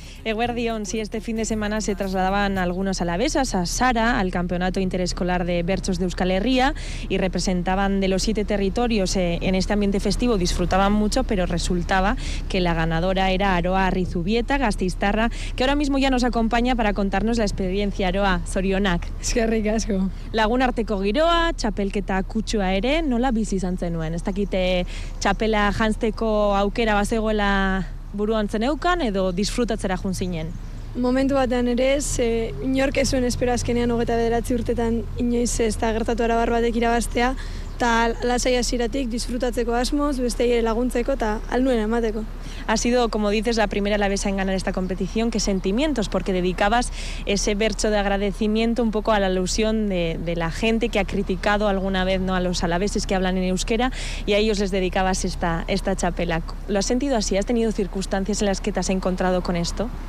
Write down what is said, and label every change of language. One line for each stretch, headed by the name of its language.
Basque: Eguerdion,
Spanish: sí, este fin de semana se trasladaban algunos alavesas a Sara, al Campeonato Interescolar de Bertsos de Euskal Herria, y representaban de los 7 territorios en este ambiente festivo, disfrutaban mucho, pero resultaba que la ganadora era Aroa Rizubieta, gasteiztarra, que ahora mismo ya nos acompaña para contarnos la experiencia.
Basque: Aroa, zorionak. Eskerrik asko. Lagunarteko giroa, txapelketa kutsua ere, nola bizi izan zenuen? Ez dakite txapela jantzeko aukera bazegoela buruan zeneukan edo disfrutatzera jun zinen? Momentu batean ere ez, inork ez zuen espero azkenean 29 urtetan inoiz ez da gertatu arabar batek irabaztea, eta lasai hasieratik disfrutatzeko asmoz, besteei ere laguntzeko eta alnuen emateko.
Spanish: Ha sido, como dices, la primera alavesa en ganar esta competición. ¿Qué sentimientos? Porque dedicabas ese verso de agradecimiento un poco a la alusión de la gente que ha criticado alguna vez, ¿no?, a los alaveses que hablan en euskera, y a ellos les dedicabas esta chapela. ¿Lo has sentido así? ¿Has tenido circunstancias en las que te has encontrado con esto?